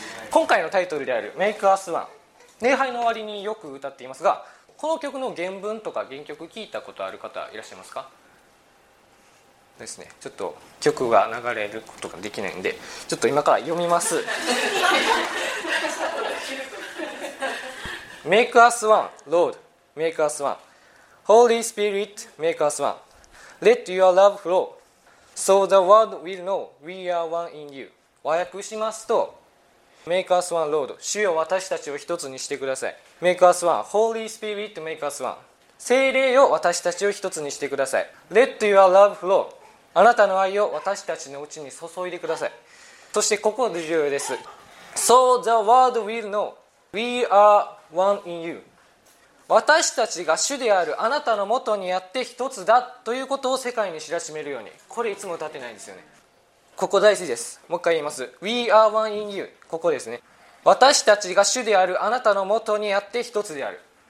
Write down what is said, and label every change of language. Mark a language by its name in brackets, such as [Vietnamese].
[Japanese] 今回のタイトルである Make Us One、 礼拝の終わりによく歌っていますが、この曲の原文とか原曲聞いたことある方いらっしゃいますか？ですね、ちょっと曲が流れることができないんで、ちょっと今から読みます。 [English] Make us one, Lord, make us one. Holy Spirit, make us one. Let your love flow, so the world will know we are one in you. [Japanese] 和訳しますと、 [English] Make us one, Lord. [Japanese] 主よ、私たちを一つにしてください。 [English] Make us one. Holy Spirit, make us one. [Japanese] 聖霊よ、私たちを一つにしてください。 [English] Let your love flow. [Japanese] あなたの愛を私たちのうちに注いでください。そしてここで重要です。 [English] So the world will know we are one in you. [Japanese] 私たちが主であるあなたのもとにやって一つだということを世界に知らしめるように。これいつも立てないんですよね。ここ大事です。もう一回言います。 [English] We are one in you。 [Japanese] ここですね。私たちが主であるあなたのもとにあって一つである。